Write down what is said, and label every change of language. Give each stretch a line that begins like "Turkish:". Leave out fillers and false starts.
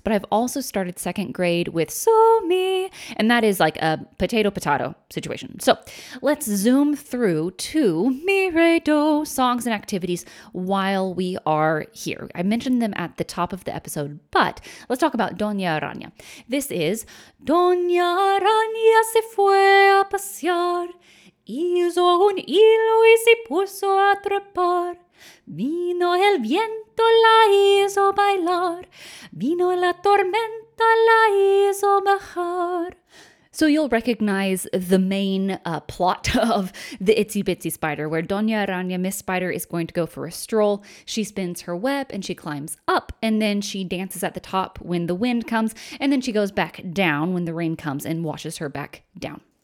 English: But I've also started second grade with so, mi, and that is like a potato, potato situation. So let's zoom through to mi, re, do songs and activities while we are here. I mentioned them at the top of the episode, but let's talk about Doña Araña.
Spanish: This is Doña Araña se fue a pasear. Hizo un hilo y se puso a trepar. Vino el viento, la hizo bailar. Vino la tormenta, la hizo bajar.
English: So you'll recognize the main plot of the Itsy Bitsy Spider, where Doña Araña, Miss Spider, is going to go for a stroll. She spins her web and she climbs up, and then she dances at the top when the wind comes, and then she goes back down when the rain comes and washes her back down.